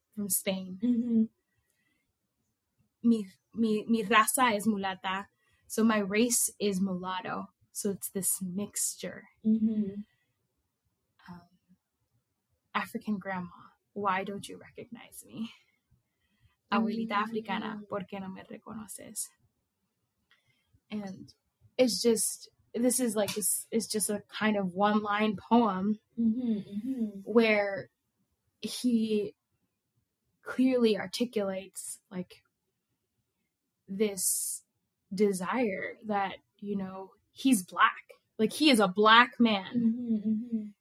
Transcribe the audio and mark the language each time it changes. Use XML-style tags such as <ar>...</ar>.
<en>from Spain. Mm-hmm.</en> <es>Mi raza es mulata.</es> <en>So my race is mulatto. So it's this mixture. Mm-hmm. African grandma, why don't you recognize me? Mm-hmm.</en> <es>Abuelita africana, ¿por qué no me reconoces?</es> <en>And it's just, this is like, it's just a kind of one line poem mm-hmm, mm-hmm. where he clearly articulates like this desire that, you know, he's Black, like he is a Black man. Mm-hmm, mm-hmm.</en>